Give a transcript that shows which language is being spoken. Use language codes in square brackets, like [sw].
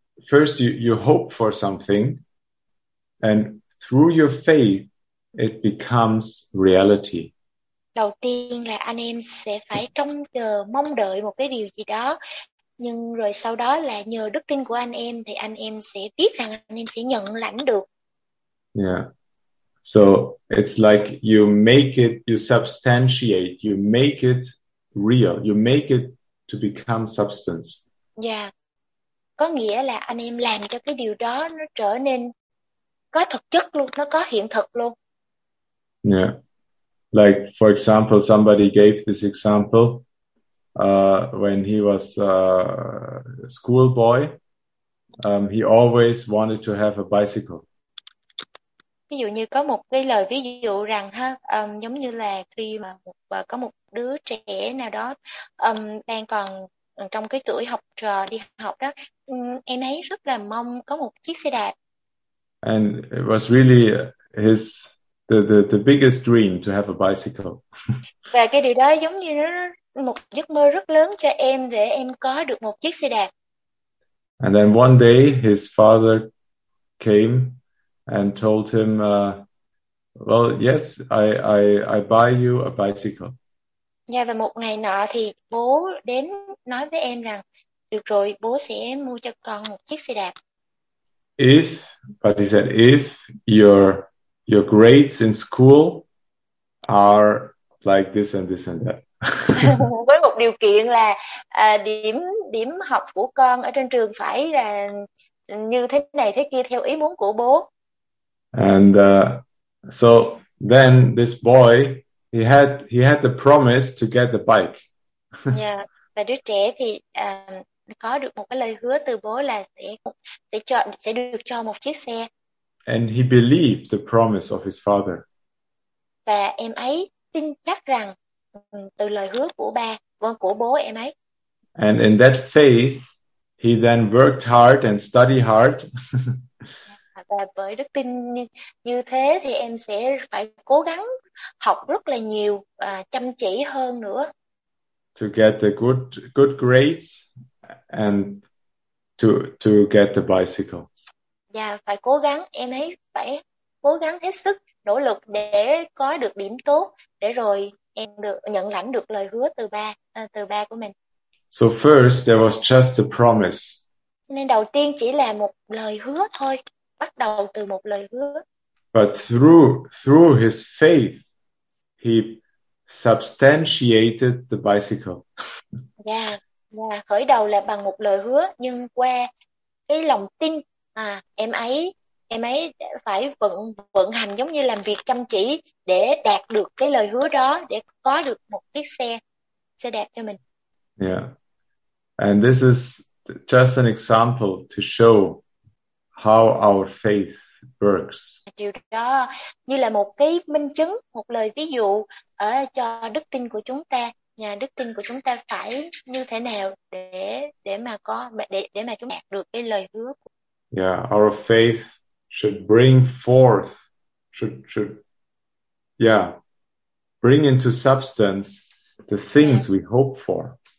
[en] First you hope for something, and through your faith it becomes reality. [vi] Đầu tiên là anh em sẽ phải trông chờ, mong đợi một cái điều gì đó. Nhưng rồi sau đó là nhờ đức tin của anh em thì anh em sẽ biết rằng anh em sẽ nhận lãnh được. Yeah. [en] So it's like you make it, you substantiate, you make it real, you make it to become substance. Yeah. [vi] Có nghĩa là anh em làm cho cái điều đó nó trở nên có thực chất luôn, nó có hiện thực luôn. Yeah. [en] Like for example, somebody gave this example when he was a schoolboy. He always wanted to have a bicycle. [vi] Ví dụ như có một cái lời ví dụ rằng ha, giống như là khi mà có một đứa trẻ nào đó đang còn trong cái tuổi học trò đi học đó, em ấy rất là mong có một chiếc xe đạp. [en] And it was really his the biggest dream to have a bicycle. [vi] Và cái điều đó giống như nó một giấc mơ rất lớn cho em để em có được một chiếc xe đạp. [en] And then one day his father came and told him, "Well, yes, I buy you a bicycle." [vi] Và một ngày nọ thì bố đến nói với em rằng được rồi, bố sẽ mua cho con một chiếc xe đạp. [en] But he said, if your grades in school are like this and this and [vi] Với [en] that. [vi] một điều kiện là điểm điểm học của con ở trên trường phải là như thế này thế kia theo ý muốn của bố. [en] And so then this boy, he had the promise to get the bike. [vi] Và đứa trẻ thì có được một cái lời hứa từ bố là sẽ được cho một chiếc xe. [en] And he believed the promise of his father. [vi] Và em ấy tin chắc rằng từ lời hứa của ba, của bố em ấy. [en] And in that faith, he then worked hard and studied hard. [vi] Và bởi đức tin như thế thì em sẽ phải cố gắng học rất là nhiều và chăm chỉ hơn nữa. [en] To get the good grades and to get the bicycle. [vi] Và phải cố gắng, em ấy phải cố gắng hết sức, nỗ lực để có được điểm tốt, để rồi em được nhận lãnh được lời hứa từ ba của mình. [en] So first there was just a promise. [vi] Nên đầu tiên chỉ là một lời hứa thôi, bắt đầu từ một lời hứa. [en] But through his faith, he substantiated the bicycle. [vi] Khởi đầu là bằng một lời hứa, nhưng qua cái lòng tin, em ấy đã phải vận hành giống như làm việc chăm chỉ để đạt được cái lời hứa đó, để có được một chiếc xe đạp cho mình. [en] And this is just an example to show how our faith works. [vi] Điều đó như là một cái minh chứng, một lời ví dụ ở cho đức tin của chúng ta. Nhà đức tin của chúng ta phải như thế nào để mà chúng ta đạt được cái lời hứa của. [en] Our faith should bring forth, should bring into substance the things we hope for.